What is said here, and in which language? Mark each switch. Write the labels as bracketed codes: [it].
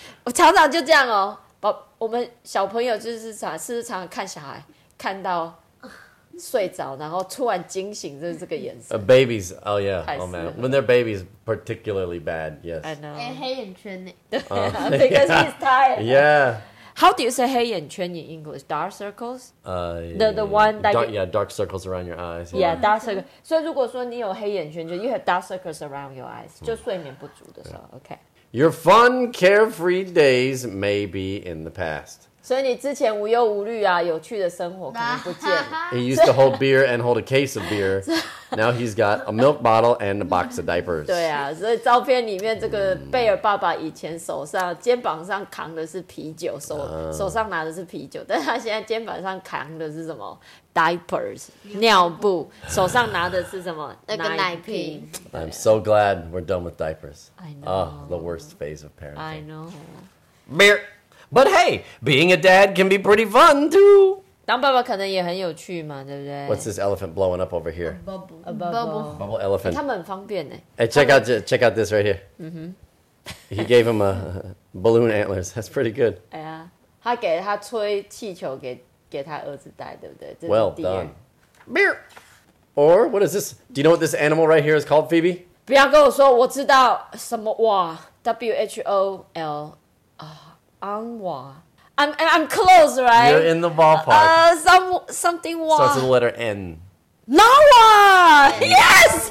[zh] 我常常就这样哦，把我们小朋友就是常是常看小孩看到睡着，然后突然惊醒，就是这个眼神。 [en] Babies, oh yeah, oh man, when they're babies, particularly bad. Yes, I know. [zh] 黑眼圈呢？对 [en] ，because he's tired. Yeah. How do you say 黑眼圈 in English? Dark circles. The one that dark, yeah, dark circles around your eyes. Yeah, dark circles. [zh] 所以如果说你有黑眼圈， [en] 就 you have dark circles around your eyes, [zh] 就睡眠不足的时候。 [en] Okay. Your fun, carefree days may be in the past. [zh] 所以你之前无忧无虑啊，有趣的生活可能不见了。 [en] He used to hold beer and hold a case of beer. Now he's got a milk bottle and a box of diapers. [zh] 对啊，所以照片里面这个贝尔爸爸以前手上肩膀上扛的是啤酒，手上拿的是啤酒，但他现在肩膀上扛的是什么 ？Diapers， 尿布。手上拿的是什么？那个奶瓶。 [en] I'm so glad we're done with diapers. I know. Oh, the worst phase of parenting. I know. Beer. But hey, being a dad can be pretty fun, too. [zh] 当爸爸可能也很有趣嘛，对不对？ [en] What's this elephant blowing up over here? A bubble elephant. [zh] 他们很方便耶。 [en] Hey, check out this right here. Mm-hmm. He gave him a balloon antlers. That's pretty good. [zh] 哎呀，他给他吹气球给他儿子带，对不对？ [en] Well done. Beer. Or what is this? Do you know what this animal right here is called, Phoebe? [zh] 不要跟我说我知道什么哇 ,W-H-O-L. [en] I'm close, right? You're in the ballpark. Something wa. Starts with the letter N. Narwa! Yes!